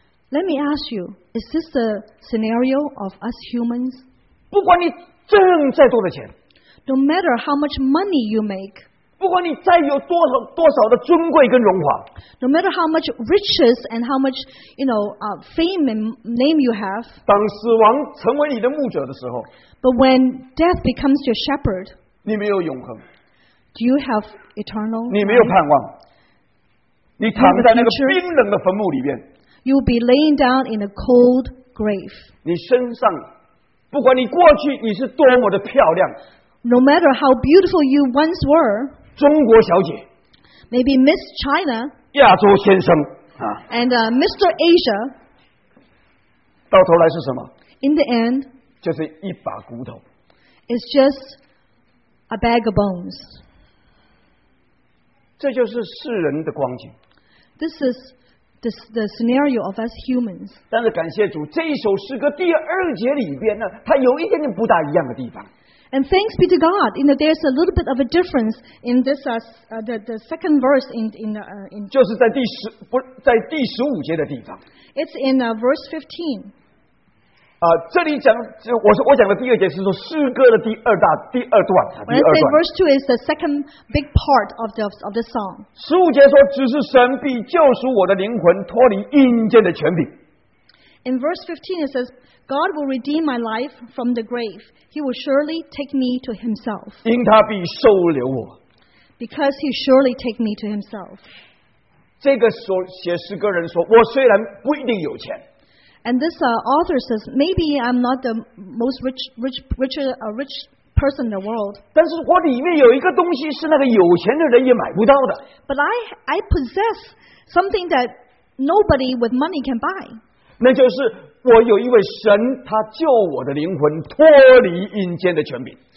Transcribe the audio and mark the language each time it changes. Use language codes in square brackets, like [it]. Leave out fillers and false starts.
[en] Let me ask you, is this the scenario of us humans? [zh] 不管你挣再多的钱， [en] No matter how much money you make, [zh] 不管你再有多少的尊贵跟荣华， [en] No matter how much riches and how much, you know, fame and name you have, [zh] 当死亡成为你的牧者的时候， [en] But when death becomes your shepherd, [zh] 你没有永恒， [en] Do you have eternal? [zh] 你没有盼望， 你躺在那个冰冷的坟墓里面， [en] You will be laying down in a cold grave. [zh] 你身上，不管你过去你是多么的漂亮， [en] No matter how beautiful you once were, [zh] 中国小姐， [en] Maybe Miss China, [zh] 亚洲先生， [en] And Mr. Asia, [zh] 到头来是什么？ [en] In the end, [zh] 就是一把骨头， [en] It's just a bag of bones. [zh] 这就是世人的光景。 [en] This isThe scenario of us humans. [zh] 但是感谢主，这一首诗歌第二节里边呢，它有一点点不大一样的地方。 [en] And thanks be to God, you know, there's a little bit of a difference in this the second verse in [zh] 就是在第十五节的地方。 [en] It's in verse 15. [zh] 这里讲，我讲的第二节是说诗歌的第二段。 [en] When I say verse 2 is the second big part of the song. [zh] 十五节说，只是神必救赎我的灵魂，脱离阴间的权柄。 [en] In verse 15 it says, God will redeem my life from the grave. He will surely take me to himself. [zh] 因他必收留我。 [en] Because he surely take me to himself. [zh] 这个所写诗歌人说，我虽然不一定有钱。 [en] And this author says, maybe I'm not the most rich person in the world. [zh] 但是我里面有一个东西是那个有钱的人也买不到的。 [en] But I possess something that nobody with money can buy. [zh] 那就是我有一位神，他救我的灵魂脱离阴间的权柄。